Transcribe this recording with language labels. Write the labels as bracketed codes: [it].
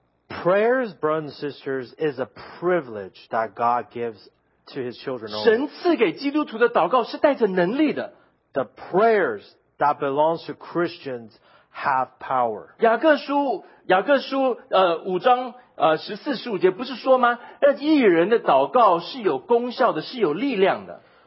[en] Prayers, brothers and sisters, is a privilege that God gives to His children. [zh] 神赐给基督徒的祷告是带着能力的。 [en] The prayers that belongs to Christians have power. [zh] 雅各书五章十四十五节不是说吗？那义人的祷告是有功效的，是有力量的。